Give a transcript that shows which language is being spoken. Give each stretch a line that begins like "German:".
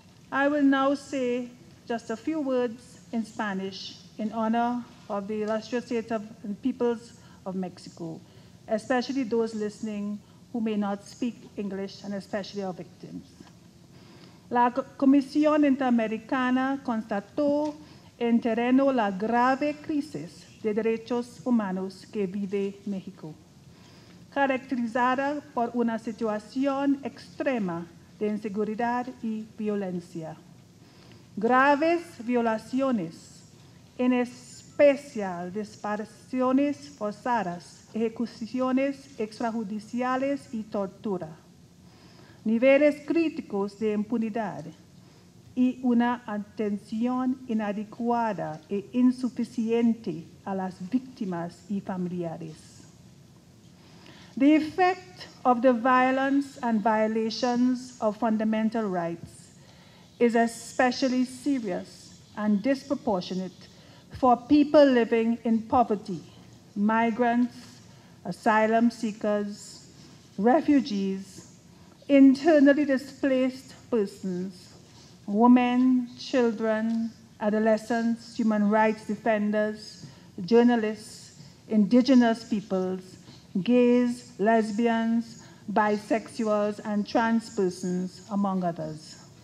English: I will now say just a few words in Spanish in honor of the illustrious state of the peoples of Mexico, especially those listening who may not speak English, and especially our victims.
Spanish: La Comisión Interamericana constató en terreno la grave crisis de derechos humanos que vive México. caracterizada por una situación extrema de inseguridad y violencia. Graves violaciones, en especial desapariciones forzadas, ejecuciones extrajudiciales y tortura. Niveles críticos de impunidad y una atención inadecuada e insuficiente a las víctimas y familiares.
English: The effect of the violence and violations of fundamental rights is especially serious and disproportionate for people living in poverty, migrants, asylum seekers, refugees, internally displaced persons, women, children, adolescents, human rights defenders, journalists, indigenous peoples, gays, lesbians, bisexuals, and trans persons, among others.